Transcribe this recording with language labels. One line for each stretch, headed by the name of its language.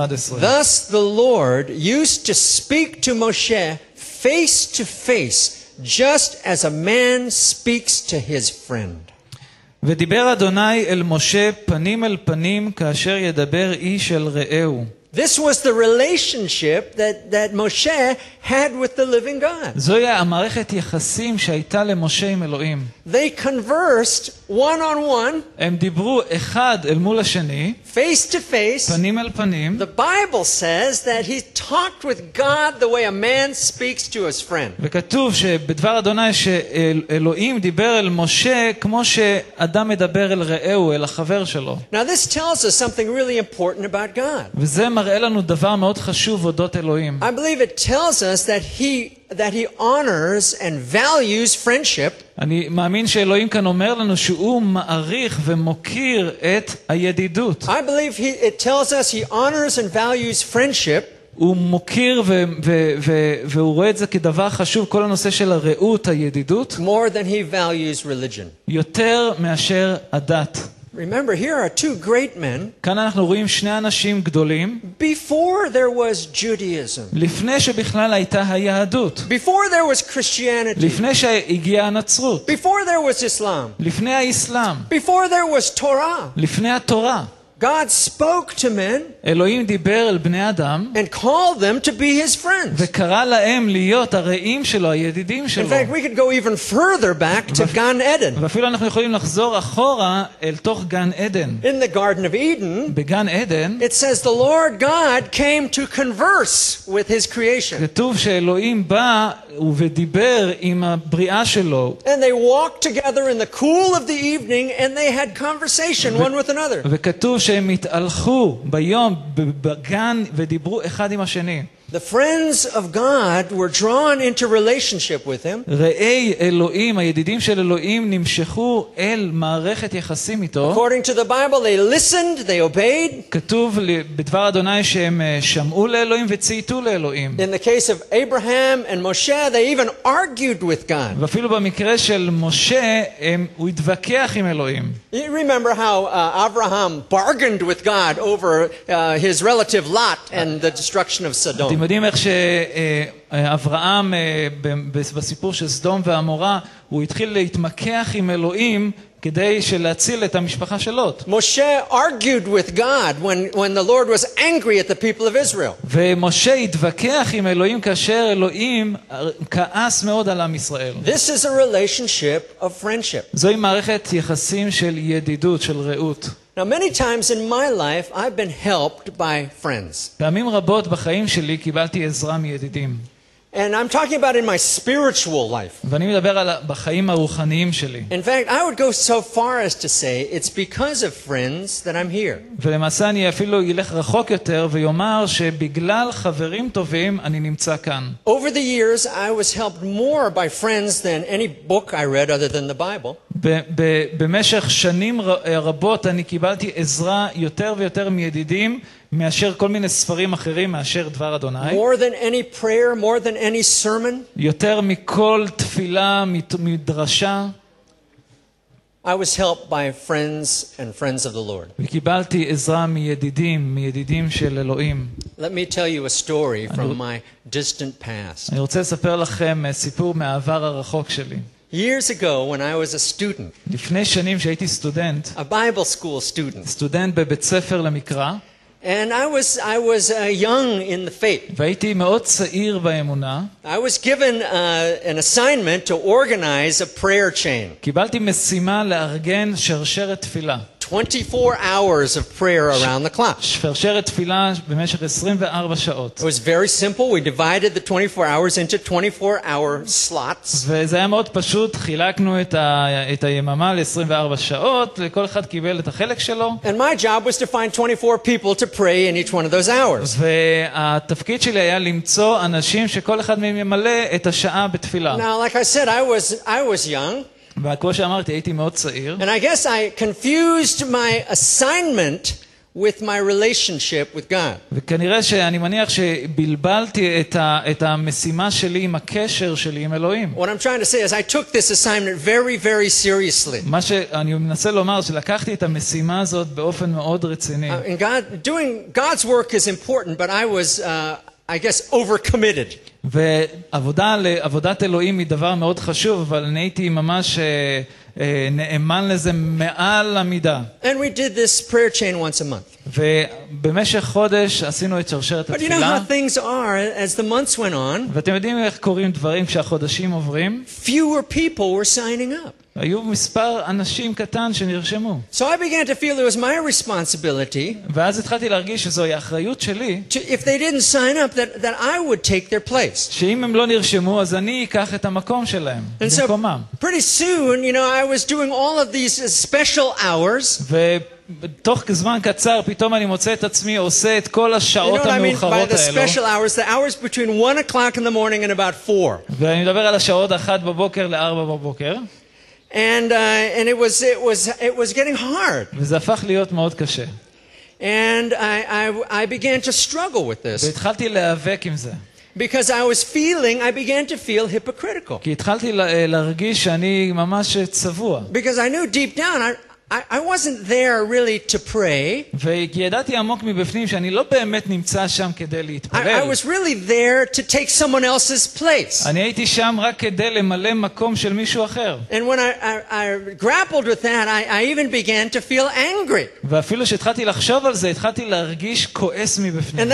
English: Thus the Lord used to speak to Moshe face to face, just as a man speaks to his friend.
Hebrew: ודיבר אדוני אל משה פנים אל פנים כאשר ידבר איש אל רעהו.
English: This was the relationship that Moshe had with the living God.
Hebrew: זוהי המערכת יחסים שהייתה למשה עם אלוהים.
English: They conversed one on one.
Hebrew: הם דיברו אחד אל מול השני.
English: Face to face.
Hebrew: פנים אל פנים.
English: The Bible says that he talked with God the way a man speaks to his friend.
Hebrew: וכתוב שבדבר אדוני שאלוהים דיבר אל משה כמו שאדם מדבר אל רעהו, אל החבר שלו.
English: Now this tells us something really important about God.
Hebrew: וזה מראה לנו דבר מאוד חשוב אודות אלוהים.
English: I believe it tells us that he honors and values friendship.
Hebrew: אני מאמין שאלוהים כן אומר לנו שהוא מעריך ומוקיר את הידידות.
English: I believe it tells us he honors and values friendship.
Hebrew: הוא מוקיר והוא רואה את זה כדבר חשוב, כל הנושא של הרעות, הידידות.
English: More than he values religion.
Hebrew: יותר מאשר הדת.
English: Remember, here are two great men.
Hebrew: כאן אנחנו רואים שני אנשים גדולים.
English: Before there was Judaism.
Hebrew: לפני שבכלל הייתה היהדות.
English: Before there was Christianity.
Hebrew: לפני שהגיעה הנצרות.
English: Before there was Islam.
Hebrew: לפני האסלאם.
English: Before there was Torah.
Hebrew: לפני התורה.
English: God spoke to men.
Hebrew: אלוהים דיבר אל בני אדם.
English: And called them to be his friends.
Hebrew: וקרא להם להיות הרעים שלו, הידידים שלו.
English: In fact, we could go even further back to Gan Eden.
Hebrew: ואפילו אנחנו יכולים לחזור אחורה אל תוך גן עדן.
English: In the Garden of Eden.
Hebrew: בגן עדן.
English: It says the Lord God came to converse with his creation.
Hebrew: כתוב שאלוהים בא ודיבר עם הבריאה שלו.
English: And they walked together in the cool of the evening and they had conversation one with another.
Hebrew: וכתוב שהם התהלכו ביום בגן ודיברו אחד עם השני.
English: The friends of God were drawn into relationship with him.
Hebrew: ראי אלוהים, הידידים של אלוהים נמשכו אל מערכת יחסים איתו.
English: According to the Bible, they listened, they obeyed.
Hebrew: כתוב בדבר אדוני שהם שמעו לאלוהים וצייתו לאלוהים.
English: In the case of Abraham and Moshe, they even argued with God.
Hebrew: ואפילו במקרה של משה, הוא התווכח עם אלוהים.
English: You remember how Abraham bargained with God over his relative Lot and the destruction of Sodom.
Hebrew: אתם יודעים איך שאברהם בסיפור של סדום ועמורה הוא התחיל להתמקח עם אלוהים כדי להציל את המשפחה של לוט.
English: משה argued with God when the Lord was angry at the people of Israel.
Hebrew: ומשה התווכח עם אלוהים כאשר אלוהים כעס מאוד על עם ישראל.
English: This is a relationship of friendship.
Hebrew: זוהי מערכת יחסים של ידידות, של רעות.
English: Now many times in my life I've been helped by friends.
Hebrew: פעמים רבות בחיים שלי קיבלתי עזרה מידידים.
English: And I'm talking about in my spiritual life.
Hebrew: ואני מדבר על בחיים הרוחניים שלי.
English: In fact, I would go so far as to say it's because of friends that I'm here.
Hebrew: ולמעשה אני אפילו ילך רחוק יותר ויאמר שבגלל חברים טובים אני נמצא כאן.
English: Over the years I was helped more by friends than any book I read other than the Bible.
Hebrew: במשך שנים רבות אני קיבלתי עזרה יותר ויותר מידידים מאשר כל מיני ספרים אחרים מאשר דבר אדוני.
English: More than any prayer, more than any sermon.
Hebrew: יותר מכל תפילה, מדרשה.
English: I was helped by friends and friends of the Lord.
Hebrew: וקיבלתי עזרה מידידים, מידידים של אלוהים.
English: Let me tell you a story from my distant past.
Hebrew: אני רוצה לספר לכם סיפור מהעבר הרחוק שלי.
English: Years ago when I was a student.
Hebrew: לפני שנים שהייתי סטודנט.
English: A Bible school student.
Hebrew: סטודנט בבית ספר למקרא.
English: And I was young in the faith.
Hebrew: והייתי מאוד צעיר באמונה.
English: I was given an assignment to organize a prayer chain.
Hebrew: קיבלתי משימה לארגן שרשרת תפילה.
English: 24 hours of prayer around the clock.
Hebrew: שרשרת תפילה במשך 24 שעות.
English: It was very simple. We divided the 24 hours into 24 hour slots.
Hebrew: וזה היה מאוד פשוט. חילקנו את היממה ל-24 שעות, וכל אחד קיבל את החלק שלו.
English: And my job was to find 24 people to pray in each one of those hours.
Hebrew: והתפקיד שלי היה למצוא אנשים שכל אחד מהם ימלא את השעה בתפילה.
English: Now, like I said, I was young.
Hebrew: וכמו שאמרתי, הייתי מאוד צעיר.
English: And I guess I confused my assignment with my relationship with God.
Hebrew: וכנראה שאני מניח שבלבלתי את המשימה שלי עם הקשר שלי עם אלוהים.
English: What I'm trying to say is I took this assignment very, very seriously.
Hebrew: מה שאני מנסה לומר שלקחתי את המשימה הזאת באופן מאוד רציני.
English: Doing God's work is important, but I was I guess overcommitted.
Hebrew: ועבודת אלוהים היא דבר מאוד חשוב, אבל אני הייתי ממש נאמן לזה מעל המידה.
English: And we did this prayer chain once a month.
Hebrew: ובמשך חודש עשינו את שרשרת התפילה.
English: But you know how things are as the months went on.
Hebrew: ואתם יודעים איך קורים דברים כשהחודשים עוברים?
English: Fewer people were signing up.
Hebrew: היו מספר אנשים קטן שנרשמו.
English: So I began to feel it was my responsibility.
Hebrew: ואז התחלתי להרגיש שזו האחריות שלי.
English: If they didn't sign up, that I would take their place.
Hebrew: שאם הם לא נרשמו, אז אני אקח את המקום שלהם. במקומם.
English: Pretty soon, you know, I was doing all of these special hours.
Hebrew: ותוך זמן קצר, פתאום אני מוצא את עצמי עושה את כל השעות המאוחרות האלו.
English: You know what I mean by the special hours? The hours between 1 o'clock in the morning and about 4.
Hebrew: ואני מדבר על השעות 1 בבוקר ל-4 בבוקר.
English: And it was getting hard.
Hebrew: וזה הפך להיות מאוד קשה.
English: And I began to struggle with this.
Hebrew: והתחלתי להיאבק עם זה.
English: Because I began to feel hypocritical.
Hebrew: כי התחלתי להרגיש שאני ממש צבוע.
English: Because I knew deep down I wasn't there really to pray.
Hebrew: וידעתי עמוק מבפנים שאני לא באמת נמצא שם כדי להתפלל.
English: I was really there to take someone else's place.
Hebrew: אני הייתי שם רק כדי למלא מקום של מישהו אחר.
English: And when I grappled with that, I even began to feel angry.
Hebrew: ואפילו שהתחלתי לחשוב על זה, התחלתי להרגיש כועס מבפנים.